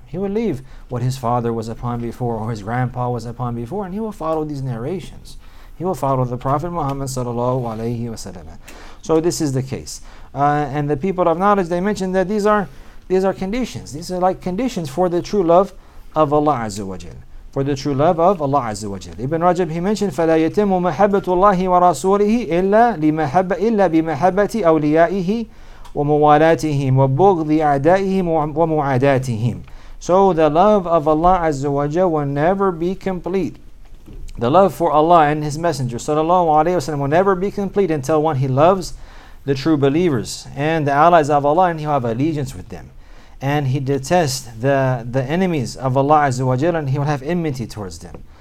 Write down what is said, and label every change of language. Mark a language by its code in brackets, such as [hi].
[en] He will leave what his father was upon before or his grandpa was upon before, and he will follow these narrations. He will follow the Prophet Muhammad sallallahu alayhi wa sallam. So this is the case. And the people of knowledge, they mentioned that these are conditions. These are like conditions for the true love of Allah Azza wa Jal. For the true love of Allah Azza wa Jal. [ar] Ibn Rajab, he mentioned, فَلَا يَتِمُّ مَحَبَّةُ اللَّهِ وَرَسُولِهِ إِلَّا بِمَحَبَّةِ أَوْلِيَائِهِ وَمُوَالَاتِهِمْ وَبُغْضِ أَعْدَائِهِمْ وَمُعَادَاتِهِمْ. [en] So the love of Allah Azza wa Jal will never be complete. The love for Allah and His Messenger sallallahu alayhi wa sallam will never be complete until one, He loves the true believers and the allies of Allah, and He will have allegiance with them. And He detests the enemies of Allah Azza wa Jal, and He will have enmity towards them.